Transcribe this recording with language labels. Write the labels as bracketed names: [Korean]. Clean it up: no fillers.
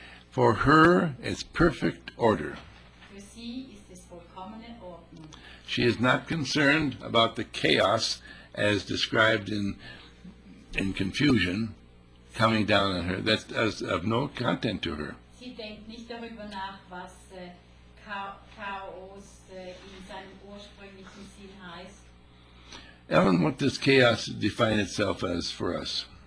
[English] For her, it's perfect order. [German] Für sie ist es vollkommene Ordnung. [English] She is not concerned about the chaos as described in confusion coming down on her. That is of no content to her. [German] Sie denkt nicht darüber nach, was Chaos in seinem ursprünglichen Sinn heißt. [English] Ellen, what does chaos define itself as for us?